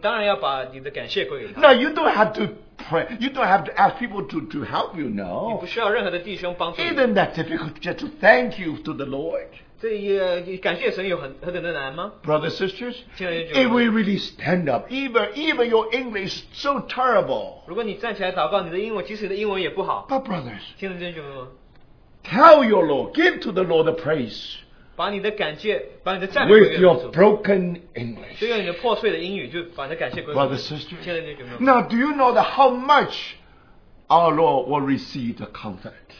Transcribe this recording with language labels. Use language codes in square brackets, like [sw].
[en] Now you don't have to pray, you don't have to ask people to help you, no. Isn't that difficult just to thank you to the Lord? Brothers, sisters, if we really stand up, even your English is so terrible. [zh] 如果你站起来祷告, 你的英文, 即使你的英文也不好, [en] but brothers, tell your Lord, give to the Lord the praise. With your broken English. Brother, sister. Now, do you know that how much our Lord will receive the comfort?